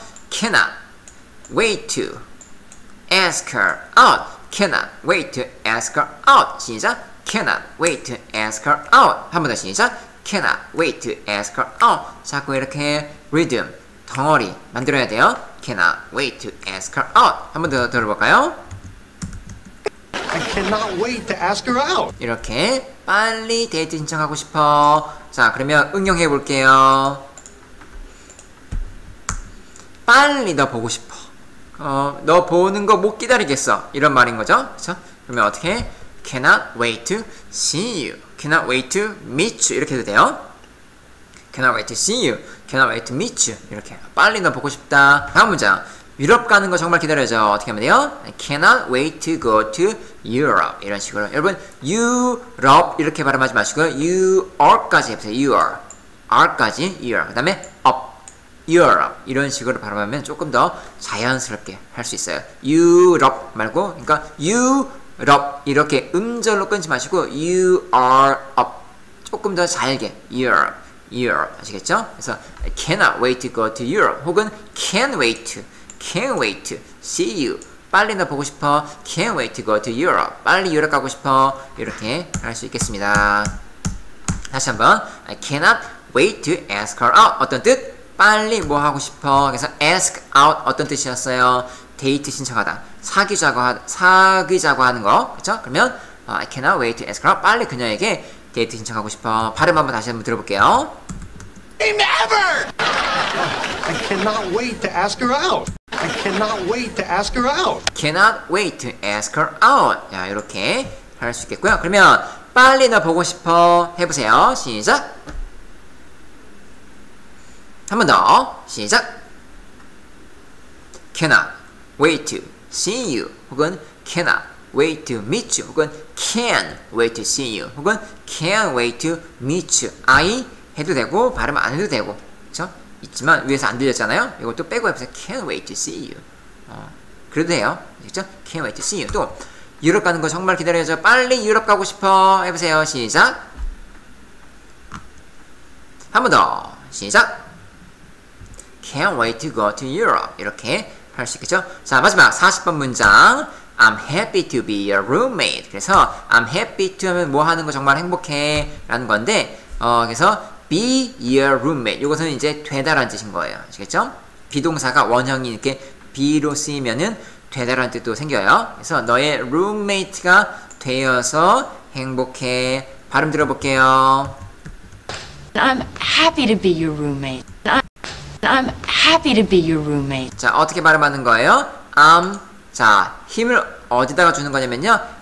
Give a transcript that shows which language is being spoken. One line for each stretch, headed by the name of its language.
English: Cannot wait to ask her out. Cannot wait to ask her out.
Korean: 시작.
English: Cannot wait to ask her out.
Korean: 한 번 더 시작.
English: Cannot wait to ask her out.
Korean: 자꾸 이렇게 리듬, 덩어리 만들어야 돼요.
English: Cannot wait to ask her out.
Korean: 한 번 더 들어볼까요?
English: I cannot wait to ask her out.
Korean: 이렇게 빨리 데이트 신청하고 싶어. 자, 그러면 응용해 볼게요. 빨리 너 보고 싶어. 너 보는 거 못 기다리겠어. 이런 말인 거죠. 그쵸? 그러면 어떻게 해?
English: Cannot wait to see you. Cannot wait to meet you.
Korean: 이렇게 해도 돼요.
English: Cannot wait to see you. Cannot wait to meet you.
Korean: 이렇게 빨리 너 보고 싶다. 다음 문장. 유럽 가는 거 정말 기다려져. 어떻게 하면 돼요?
English: Cannot wait to go to Europe.
Korean: 이런 식으로. 여러분, Europe 이렇게 발음하지 마시고 UR까지 해보세요. UR. R까지 UR. 그 다음에 UP. Europe. 이런 식으로 발음하면 조금 더 자연스럽게 할 수 있어요. Europe 말고, 그러니까 Europe 이렇게 음절로 끊지 마시고 UR UP. 조금 더 잘게 Europe. Europe. 아시겠죠?
English: 그래서 Cannot wait to go to Europe.
Korean: 혹은
English: Can't wait to. Can't wait to see you.
Korean: 빨리 너 보고 싶어.
English: Can't wait to go to Europe.
Korean: 빨리 유럽 가고 싶어. 이렇게 할 수 있겠습니다. 다시 한번.
English: I cannot wait to ask her out.
Korean: 어떤 뜻? 빨리 뭐 하고 싶어. 그래서 ask out 어떤 뜻이었어요? 데이트 신청하다. 사귀자고 하는 거. 그렇죠? 그러면
English: I cannot wait to ask her out.
Korean: 빨리 그녀에게 데이트 신청하고 싶어. 발음 한번 다시 한번 들어볼게요.
English: Never! I cannot wait to ask her out. I cannot wait to ask her out. Cannot wait to ask her out.
Korean: 자, 이렇게 할 수 있겠고요. 그러면 빨리 너 보고 싶어 해보세요. 시작. 한 번 더. 시작.
English: Cannot wait to see you.
Korean: 혹은
English: cannot wait to meet you. 혹은 can wait to see you. 혹은 can wait to meet you.
Korean: I 해도 되고 발음 안 해도 되고. 그렇죠? 있지만 위에서 안 들렸잖아요. 이것도 빼고 해보세요.
English: Can't wait to see you.
Korean: 그래도 돼요. 그렇죠?
English: Can't wait to see you.
Korean: 또 유럽 가는 거 정말 기다려져. 빨리 유럽 가고 싶어. 해보세요. 시작. 한 번 더. 시작.
English: Can't wait to go to Europe.
Korean: 이렇게 할 수 있겠죠? 자, 마지막 40번 문장.
English: I'm happy to be your roommate.
Korean: 그래서
English: I'm happy to
Korean: 하면 뭐 하는 거 정말 행복해 라는 건데 그래서
English: be your roommate.
Korean: 이것은 이제 되다란 뜻인 거예요. 아시겠죠? 비동사가 원형이 이렇게 be로 쓰이면은 되다란 뜻도 생겨요. 그래서 너의 roommate가 되어서 행복해. 발음 들어볼게요.
English: I'm happy to be your roommate. I'm happy to be your roommate.
Korean: 자, 어떻게 발음하는 거예요? I'm 자, 힘을 어디다가 주는 거냐면요.